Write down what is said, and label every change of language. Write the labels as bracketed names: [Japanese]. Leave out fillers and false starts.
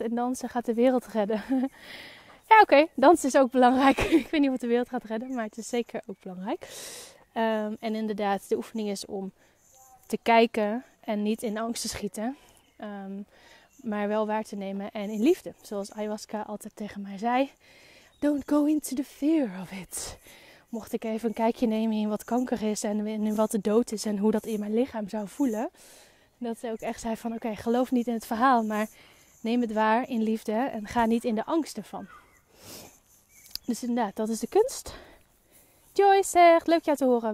[Dutch] En dansen gaat de wereld redden. Ja, oké. Okay. Dansen is ook belangrijk. Ik weet niet wat de wereld gaat redden, maar het is zeker ook belangrijk. En inderdaad, de oefening is om te kijken en niet in angst te schieten. Maar wel waar te nemen en in liefde. Zoals Ayahuasca altijd tegen mij zei. [English] Don't go into the fear of it. [Dutch] Mocht ik even een kijkje nemen in wat kanker is. En in wat de dood is. En hoe dat in mijn lichaam zou voelen. Dat ze ook echt zei van oké, geloof niet in het verhaal. Maar neem het waar in liefde. En ga niet in de angst ervan. Dus inderdaad, dat is de kunst. Joyce zegt, leuk jou te horen.